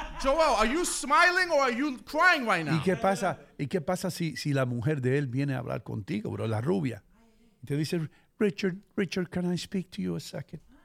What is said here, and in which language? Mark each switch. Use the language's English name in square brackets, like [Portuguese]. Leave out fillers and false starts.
[English] Joel, are you smiling or are you crying right now? [Spanish] ¿Y qué pasa si la mujer de él viene a hablar contigo, bro, la rubia? Y te dice... [English] Richard, can I speak to you a second?